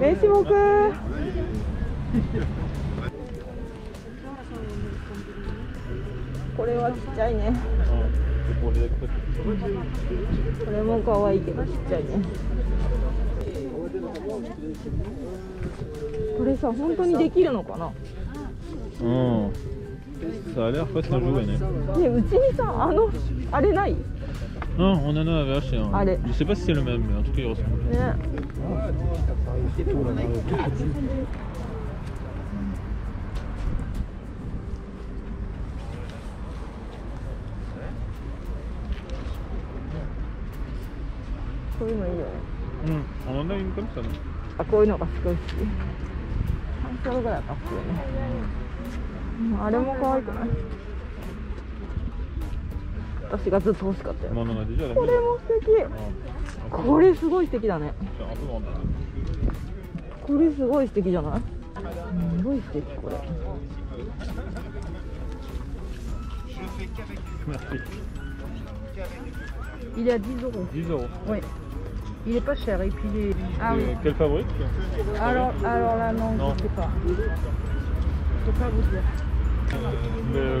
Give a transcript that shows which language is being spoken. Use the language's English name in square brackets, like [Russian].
[Japanese] 名刺もくこれはちっちゃいね、これも可愛いけどちっちゃいね、これさ、本当にできるのかな、うん、さあ、あれはファッションの部分ね、うちにさ、あの、あれない、 [French] Non, on en avait acheté un. Allez. Je sais pas si c'est le même, mais en tout cas, il ressemble. Ouais. On en a une comme ça, non ? Ah, quoi, non, parce que aussi. Ah, c'est un peu comme ça. [Japanese] 私がずっと欲しかったよ、これも素敵、これすごい素敵だね、これすごい素敵じゃない、すごい素敵、これいや10€、 10€、 [French] はい、il est pas cher et puis les quelle fabrique, alors là non, je sais pas, je peux pas vous dire,